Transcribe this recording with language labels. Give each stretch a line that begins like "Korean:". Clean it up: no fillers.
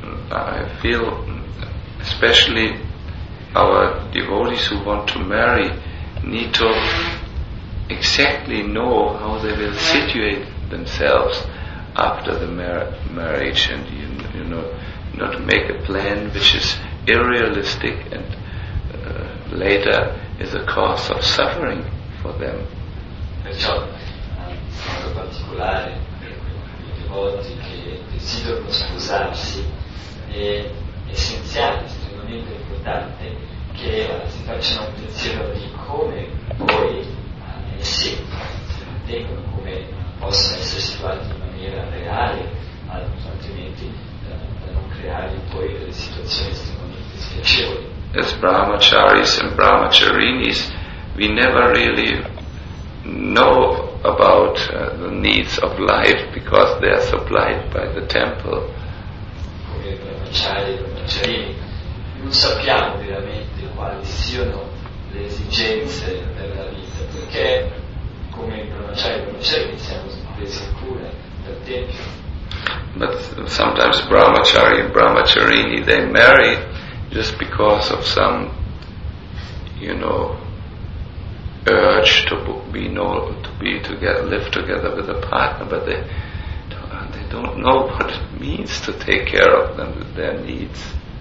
English: I feel especially our devotees who want to marry need to exactly know how they will situate themselves after the marriage, and you know not make a plan which is irrealistic and later is a cause of suffering for them.
Italian: Perciò in modo particolare i devoti che desiderano sposarsi, è essenziale, estremamente importante che si facciano un pensiero di come poi essi tengono, come possono essere situati in maniera reale, altrimenti da non creare poi delle situazioni estremamente spiacevoli.
English: As brahmacharis and brahmacharinis, we never really know about the needs of life because they are supplied by the temple.
Italian: Non sappiamo veramente quali siano le esigenze della vita, perché come brahmacari e brahmacharini siamo presi cura dal tempio.
English: But sometimes brahmacari and brahmacharini they marry just because of some, you know, urge to live together with a partner, but they don't know what it means to take care of them, their needs.